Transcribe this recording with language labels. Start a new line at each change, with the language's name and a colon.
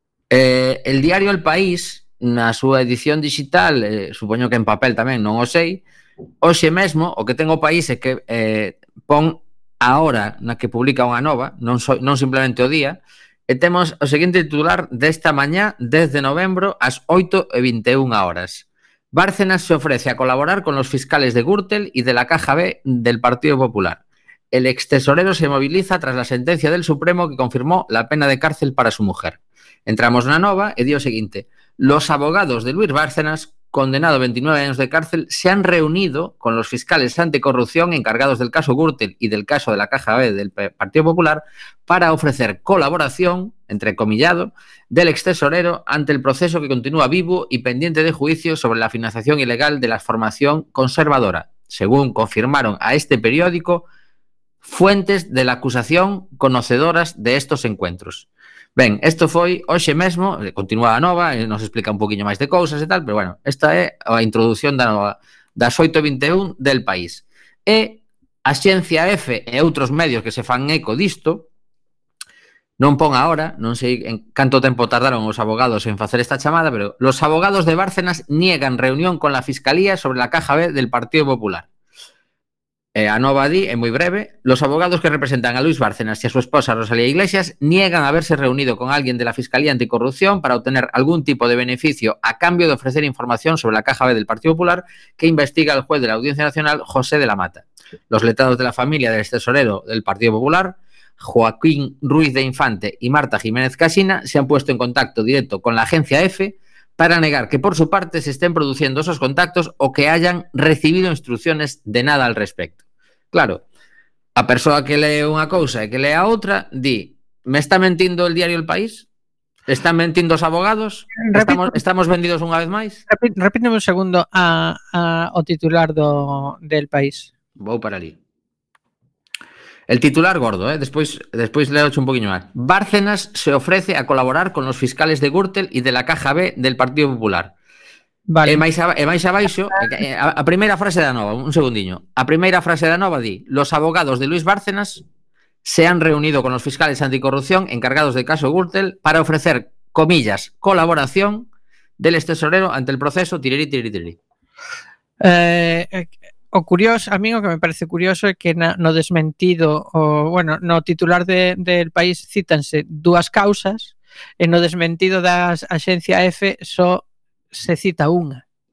Galician: El diario El País, na súa edición digital, supoño que en papel tamén, non o sei, hoxe mesmo, o que tengo país é que pon a hora na que publica unha nova, non simplemente o día, e temos o seguinte titular desta mañá, desde novembro, ás 8:21.
Spanish: Bárcenas se ofrece a colaborar con los fiscales de Gürtel y de la Caja B del Partido Popular. El extesorero se moviliza tras la sentencia del Supremo que confirmó la pena de cárcel para su mujer.
Galician: Entramos na nova e di o seguinte:
Spanish: los abogados de Luis Bárcenas, condenado a 29 años de cárcel, se han reunido con los fiscales anticorrupción encargados del caso Gürtel y del caso de la Caja B del Partido Popular para ofrecer colaboración, entrecomillado, del extesorero ante el proceso que continúa vivo y pendiente de juicio sobre la financiación ilegal de la formación conservadora, según confirmaron a este periódico fuentes de la acusación conocedoras de estos encuentros.
Galician: Ben, isto foi hoxe mesmo, continua a nova, nos explica un poquinho máis de cousas e tal, pero bueno, esta é a introducción da nova, das 8:21 del País. E a Xencia F e outros medios que se fan eco disto, non pon ahora, non sei en canto tempo tardaron os abogados en facer esta chamada, pero
Spanish: los abogados de Bárcenas niegan reunión con la Fiscalía sobre la Caja B del Partido Popular.
Galician: A nova di, é moi breve:
Spanish: los abogados que representan a Luis Bárcenas
Galician: e a súa esposa
Spanish: Rosalía Iglesias niegan haberse reunido con alguien de la Fiscalía Anticorrupción para obtener algún tipo de beneficio a cambio de ofrecer información sobre la Caja B del Partido Popular que investiga el juez de la Audiencia Nacional, José de la Mata. Los letrados de la familia del tesorero del Partido Popular, Joaquín Ruiz de Infante y Marta Jiménez Casina, se han puesto en contacto directo con la Agencia EFE para negar que por su parte se estén produciendo esos contactos o que hayan recibido instrucciones de nada al respecto.
Galician: Claro, a persoa que lee unha cousa e que lee a outra, di: me está mentindo el diario El País? Están mentindo os abogados? Estamos vendidos unha vez máis? Repíteme un segundo o titular del País. Vou para ali.
Spanish: El titular gordo, ¿eh? Después le he hecho un poquillo más. Bárcenas se ofrece a colaborar con los fiscales de Gürtel y de la Caja B del Partido Popular. Vale.
Galician: A primera frase de Anova, un segundiño. A primera frase de Anova di:
Spanish: los abogados de Luis Bárcenas se han reunido con los fiscales anticorrupción encargados del caso Gürtel para ofrecer, comillas, colaboración del tesorero ante el proceso tiriri tiriri tiriri.
Galician: O curioso, amigo, que me parece curioso é que no desmentido, no titular del país cítanse dúas causas, e no desmentido da Axencia EFE só se cita unha.